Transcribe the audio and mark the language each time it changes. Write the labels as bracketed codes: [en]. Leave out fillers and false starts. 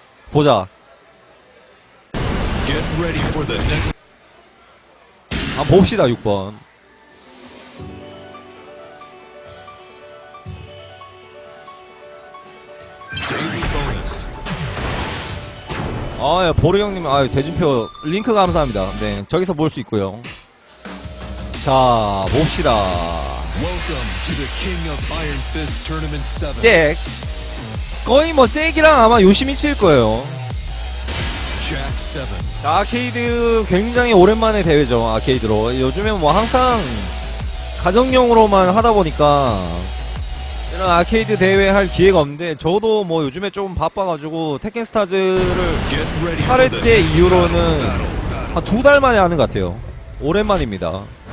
[ko] 보자. [en] Get ready for the next... [ko] 아 봅시다 6번. 아 예, 보르 형님 아 대진표 링크 감사합니다. 네 저기서 볼 수 있고요. 자 봅시다. [en] Welcome to the King of Iron Fist Tournament 7. [ko] 잭. 거의 뭐 잭이랑 아마 요시미치일 거예요. 잭 7. 자, 아케이드 굉장히 오랜만에 대회죠. 아케이드로. 요즘엔 뭐 항상 가정용으로만 하다 보니까 이런 아케이드 대회 할 기회가 없는데, 저도 뭐 요즘에 좀 바빠가지고 테켄스타즈를 8회째 이후로는 한 두 달 만에 하는 것 같아요. 오랜만입니다.